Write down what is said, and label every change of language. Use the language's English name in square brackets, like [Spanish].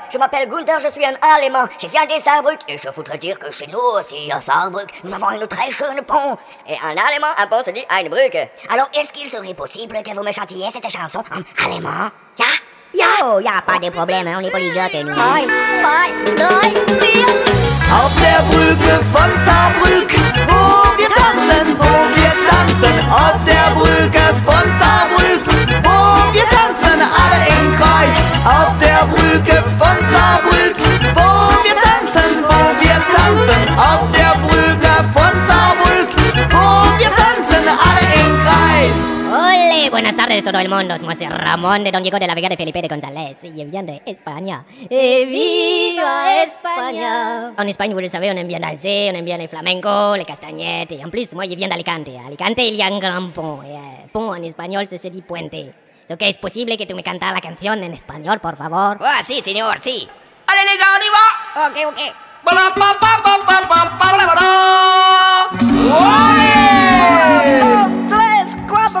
[French] Je m'appelle Gunther, je suis un Allemand. Je viens de Saarbrück. Et je voudrais dire que chez nous aussi, à Saarbrück, nous avons un très schöne pont. Et en Allemand, un pont se dit [German] eine Brücke. [French] Alors, est-ce qu'il serait possible que vous me chantiez cette chanson en Allemand? [German] Ja? Ja? [French] Oh, ja, pas de problème, on est polyglotte, nous. 1, 2, 3, 4. [German] Auf der Brücke von Saarbrück, wo wir tanzen, wo wir tanzen. Auf der Brücke von Saarbrück, wo wir tanzen, alle im Kreis. Auf der Brücke von Saarbrück, wo wir tanzen, wo wir tanzen. Auf der Brücke von Saarbrück, wo wir tanzen, alle im Kreis. [Spanish] Ole, buenas tardes, todo el mundo. Somos Ramón de Don Diego de la Vega de Felipe de González. Y envían de España. E viva España. [French] En España, vous le savez, on aime bien Nazi, on aime bien les flamenco, les castagnettes. Y en plus, moi, je viens d'Alicante. Alicante, il y a un gran pont. Pont [Spanish] en español [French] se dit puente. [Spanish] Ok, es posible que tú me cantas la canción en español, por favor. Ah, sí, señor, sí. ¡Ale, liga, [French] on y va! Ok, ok. ¡Bola, pa, pa, pa, pa, pa, pa, bla, bla! [Spanish] ¡Uale! ¡Dos, tres, cuatro!